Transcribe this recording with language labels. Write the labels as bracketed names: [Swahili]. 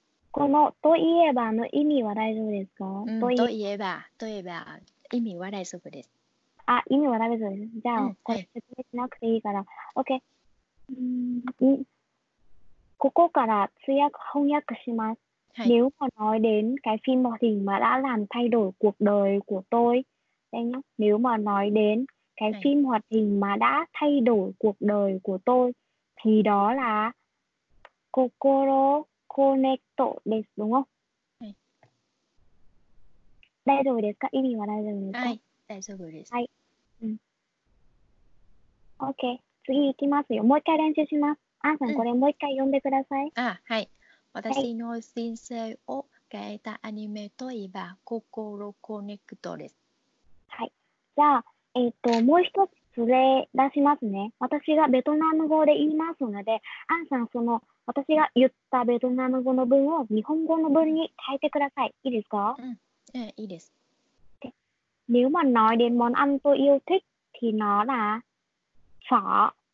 [Japanese] このといえばの意味は大丈夫ですか？うん、といえば意味は大丈夫です。あ、意味は大丈夫です。じゃあ、うん、これ説明しなくていいから。はい、OK。ここから通訳翻訳します。はい、 [Vietnamese] nếu mà nói đến cái phim hoạt hình mà đã làm thay đổi cuộc đời của tôi, nếu mà nói đếnCái、はい、phim hoạt hình mà đã thay đổi cuộc đời của tôi thì đó là Kokoro Konekto です đúng không? Đây rồi đấy, các ý nghĩa vào đây rồi đấy. Đây rồi đấy. Đây. [Japanese] Ok, 次行きますよ。もう一回練習します。アンさん、これもう一回読んでください。あ、はい。私の人生を変えたアニメといえば Kokoro Konekto です。はい。じゃあ、もう一つ連れ出しますね。私がベトナム語で言いますので、アンさん、その、私が言ったベトナム語の文を日本語の文に変えてください。いいですか？うん、いいです。 [Vietnamese] で、nếu mà nói đến món ăn tôi yêu thích, thì nó là phở。